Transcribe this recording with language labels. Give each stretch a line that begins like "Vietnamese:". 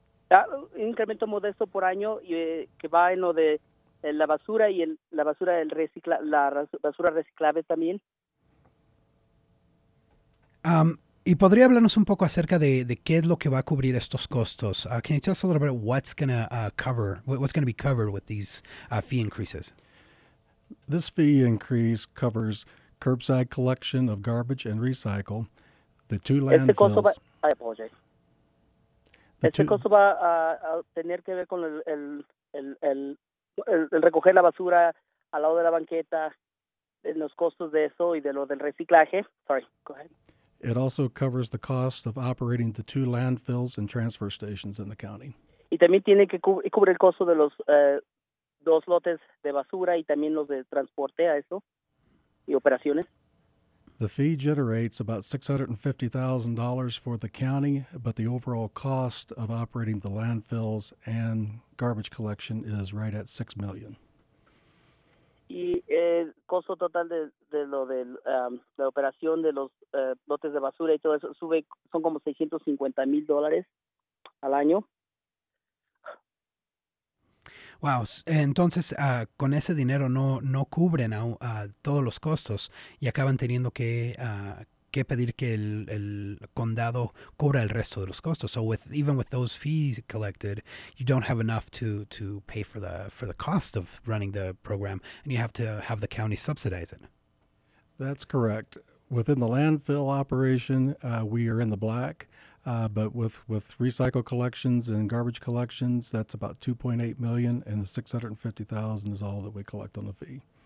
Spanish: Un incremento modesto por año que va en lo de la basura y la basura del la basura reciclable también. Y podría hablarnos un poco acerca de qué es lo que va a cubrir estos costos.
English: Can you tell us a little bit what's going to cover, what's going to be covered with these fee increases? This fee increase covers curbside collection of garbage and recycle, the two landfills.
Spanish: Este costo va,
English: I apologize.
Spanish: Este costo va a tener que ver con el recoger la basura al lado de la banqueta, en los costos de eso y de lo del reciclaje.
English: Sorry, go ahead. It also covers the cost of operating the two landfills and transfer stations in the county.
Spanish: Y también tiene que cubrir el costo de los dos lotes de basura y también los de transporte a eso y operaciones.
English: The fee generates about $650,000 for the county, but the overall cost of operating the landfills and garbage collection is right at $6 million.
Spanish: Y el costo total de lo de la operación de los lotes de basura y todo eso sube, son como $650,000 al año. Wow, entonces con ese dinero no cubren a todos los costos y acaban teniendo que pedir que el condado cubra el resto de los costos.
English: So even with those fees collected, you don't have enough to pay for the cost of running the program, and you have to have the county subsidize it. That's correct. Within the landfill operation, we are in the black. But with recycle collections and garbage collections, that's about $2.8 million, and the $650,000 is all that we collect on the fee.